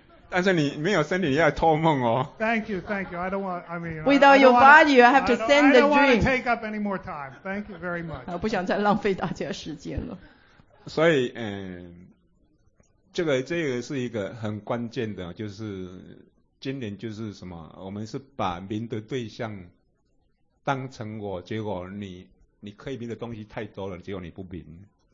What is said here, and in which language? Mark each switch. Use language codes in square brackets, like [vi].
[zh] 但是你没有身体，你要托梦哦。 [en] Thank you. I don't want, I mean, without your body, you have to send the dream. I don't want to take up any more time. Thank you very much. [zh] 我不想再浪费大家时间了。所以，这个是一个很关键的，就是今年就是什么？我们是把明的对象当成我，结果你可以明的东西太多了，结果你不明。